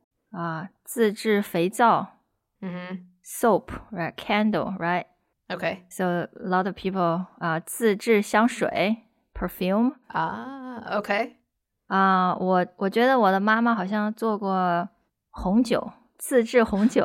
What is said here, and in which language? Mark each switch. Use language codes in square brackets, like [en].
[zh] 比如说有些人喜欢自制蜡烛,自制肥皂, [en] soap, right? Candle, right? Okay. So a lot of people, [zh] 自制香水, [en] perfume. Ah, okay. [zh] 我觉得我的妈妈好像做过红酒,自制红酒.